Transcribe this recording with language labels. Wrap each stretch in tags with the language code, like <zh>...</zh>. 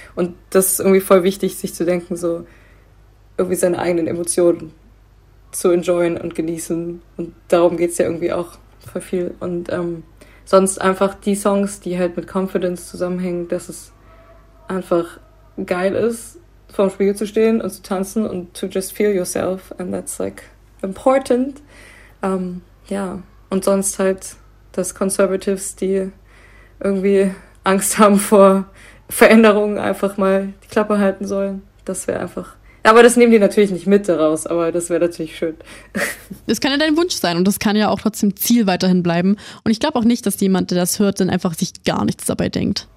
<de>Und das ist irgendwie voll wichtig, sich zu denken, so irgendwie seine eigenen Emotionen zu enjoyen und genießen. Und darum geht's ja irgendwie auch voll viel. Und sonst einfach die Songs, die halt mit Confidence zusammenhängen, dass es einfach geil ist, vorm Spiegel zu stehen und zu tanzen und</de> <en>to just feel yourself. And that's like important.</en> <de>Und sonst halt, dass Conservatives, die irgendwie Angst haben vor Veränderungen, einfach mal die Klappe halten sollen. Das wäre einfach. Aber das nehmen die natürlich nicht mit daraus, aber das wäre natürlich schön. Das kann ja dein Wunsch sein und das kann ja auch trotzdem Ziel weiterhin bleiben. Und ich glaube auch nicht, dass jemand, der das hört, dann einfach sich gar nichts dabei denkt.</de>